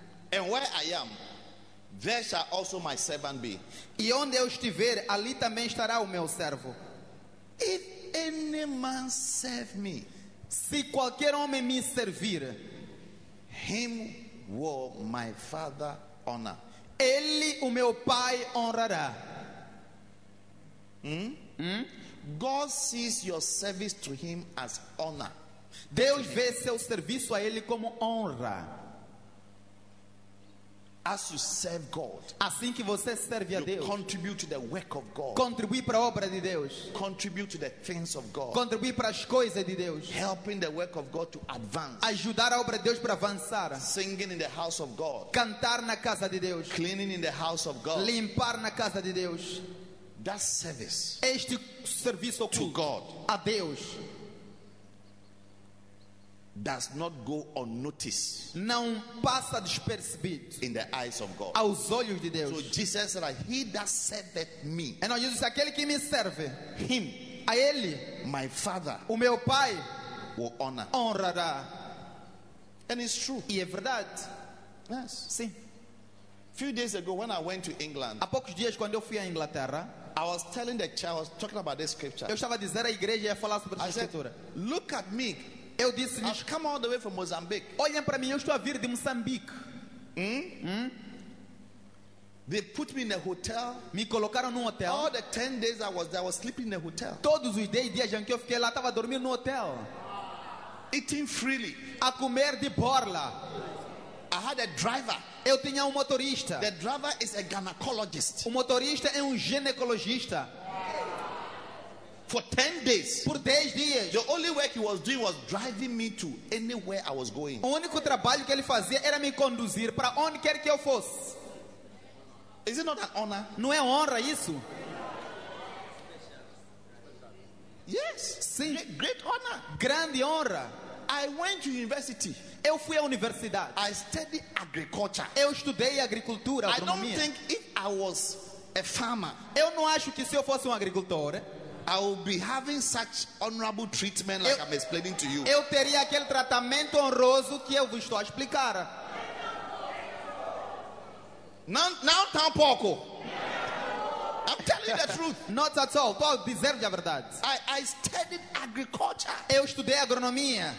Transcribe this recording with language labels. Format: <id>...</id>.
<en>And where I am, there shall also my servant be.</en> <pt>E onde eu estiver, ali também estará o meu servo.</pt> <en>If any man serve me,</en> <pt>se qualquer homem me servir,</pt> <en>him will my father honor.</en> <pt>Ele o meu pai honrará.</pt> <en>God sees your service to him as honor.</en> <pt>Deus vê seu serviço a ele como honra.</pt> <en>As you serve God,</en> <pt>assim que você serve a</pt> <en>you</en> <pt>Deus,</pt> <en>contribute to the work of God,</en> <pt>contribui para a obra de Deus,</pt> <en>contribute to the things of God,</en> <pt>contribui para as coisas de Deus,</pt> <en>helping the work of God to advance,</en> <pt>ajudar a obra de Deus para avançar,</pt> <en>singing in the house of God,</en> <pt>cantar na casa de Deus,</pt> <en>cleaning in the house of God,</en> <pt>limpar na casa de Deus.</pt> <en>That service,</en> <pt>este serviço</pt> <en>to God,</en> <pt>a Deus,</pt> <en>does not go unnoticed,</en> <pt>não passa despercebido,</pt> <en>in the eyes of God,</en> <pt>aos olhos de Deus.</pt> <en>So Jesus said, he that serveth me,</en> <pt>e não, Jesus, aquele que me serve,</pt> <en>him,</en> <pt>a ele,</pt> <en>my father,</en> <pt>o meu pai,</pt> <en>will honor,</en> <pt>honrará.</pt> <en>And it's true.</en> <pt>E é verdade.</pt> <en>Yes.</en> <pt>Sim.</pt> <en>Few days ago, when I went to England,</en> <pt>há poucos dias quando eu fui à Inglaterra,</pt> <en>I was telling the church, I was talking about this scripture.</en> <pt>Eu estava dizendo à igreja e a falar sobre a escritura.</pt> <en>Look at me.</en> <pt>Eu disse,</pt> <en>I've come all the way from Mozambique.</en> <pt>Olhem para mim, eu estou a vir de Moçambique.</pt> <en>They put me in a hotel.</en> <pt>Me colocaram num hotel.</pt> <en>All the 10 days I was sleeping in a hotel.</en> <pt>Todos os 10 dias em que eu fiquei lá, estava a dormir no hotel.</pt> <en>Eating freely.</en> <pt>A comer de borla.</pt> <en>I had a driver.</en> <pt>Eu tinha motorista.</pt> <en>The driver is a gynecologist.</en> <pt>O motorista é ginecologista.</pt> <en>For 10 days.</en> <pt>Por 10 dias.</pt> <en>The only work he was doing was driving me to anywhere I was going.</en> <pt>O único trabalho que ele fazia era me conduzir para onde quer que eu fosse.</pt> <en>Is it not an honor?</en> <pt>Não é honra isso?</pt> <en>Yes.</en> <pt>Sim.</pt> <en>Great honor.</en> <pt>Grande honra.</pt> <en>I went to university.</en> <pt>Eu fui à universidade.</pt> <en>I studied agriculture.</en> <pt>Eu estudei agricultura, agronomia.</pt> <en>I don't think if I was a farmer,</en> <pt>eu não acho que se eu fosse agricultor,</pt> <en>I would be having such honorable treatment like I'm explaining to you.</en> <pt>Eu teria aquele tratamento honroso que eu vos estou a explicar. Não tampouco.</pt> <en>I'm telling the truth. Not at all. Paul deserve a verdade. I studied agriculture.</en> <pt>Eu estudei agronomia.</pt>